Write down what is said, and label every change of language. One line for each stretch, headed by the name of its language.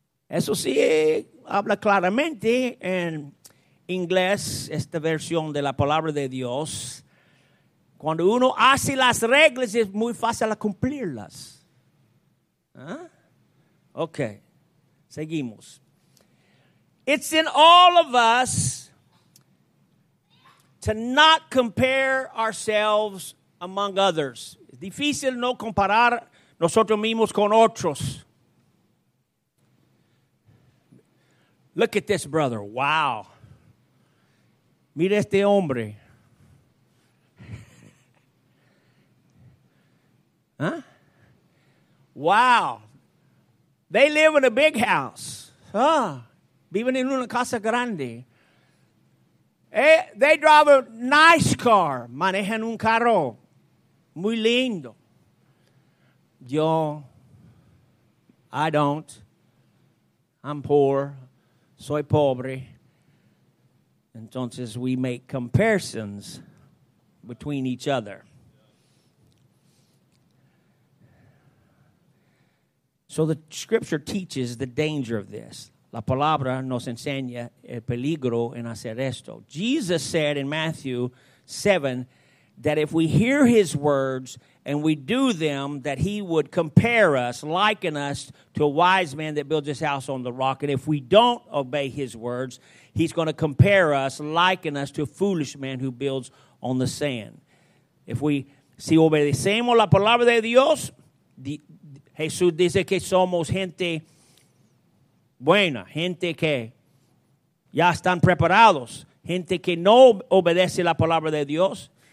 Spanish: Eso sí, habla claramente en inglés esta versión de la palabra de Dios. Cuando uno hace las reglas, es muy fácil cumplirlas. Okay, seguimos.
English: It's in all of us to not compare ourselves among others.
Spanish: Es difícil no comparar nosotros mismos con otros.
English: Look at this brother. Wow.
Spanish: Mira este hombre.
English: Huh? Wow. They live in a big house. Huh?
Spanish: Viven en una casa grande.
English: They drive a nice car.
Spanish: Manejan un carro. Muy lindo.
English: I don't. I'm poor.
Spanish: Soy pobre.
English: Entonces, we make comparisons between each other. So, the scripture teaches the danger of this.
Spanish: La palabra nos enseña el peligro en hacer esto.
English: Jesus said in Matthew 7, that if we hear his words and we do them, that he would compare us, liken us to a wise man that builds his house on the rock. And if we don't obey his words, he's going to compare us, liken us to a foolish man who builds on the sand.
Spanish: If we si obedecemos la palabra de Dios, Jesús dice que somos gente buena, gente que ya están preparados, gente que no obedece la palabra de Dios.